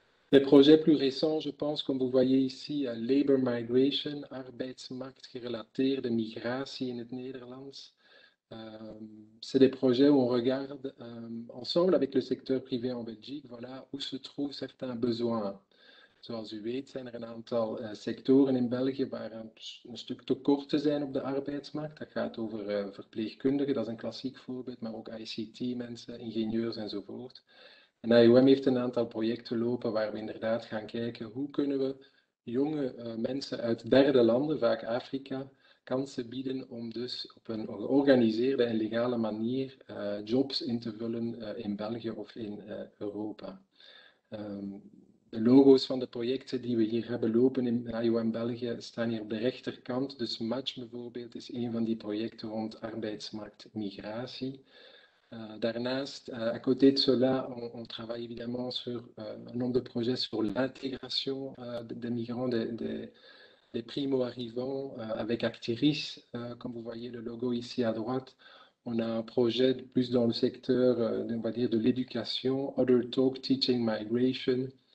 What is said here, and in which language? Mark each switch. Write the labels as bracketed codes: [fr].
[fr] Des projets plus récents, je pense, comme vous voyez ici, Labour Migration, [nl] Arbeitsmarktrelateerde Migratie in het Nederlands. [fr] C'est des projets où on regarde ensemble avec le secteur privé en Belgique, voilà où se trouvent certains besoins. [nl] Zoals u weet, zijn er een aantal sectoren in België waar een stuk tekorten zijn op de arbeidsmarkt. Dat gaat over verpleegkundigen, dat is een klassiek voorbeeld, maar ook ICT-mensen, ingenieurs enzovoort. En AIOM heeft een aantal projecten lopen waar we inderdaad gaan kijken hoe kunnen we jonge mensen uit derde landen, vaak Afrika, kansen bieden om dus op een georganiseerde en legale manier jobs in te vullen in België of in Europa. De logo's van de projecten die we hier hebben lopen in AIOM België staan hier op de rechterkant. Dus Match bijvoorbeeld is een van die projecten rond arbeidsmarktmigratie. Daarnaast, [fr] à côté de cela, on travaille évidemment sur un nombre de projets sur l'intégration des migrants, des primo-arrivants avec Actiris, comme vous voyez le logo ici à droite. On a un projet plus dans le secteur on va dire de l'éducation, Other Talk Teaching Migration.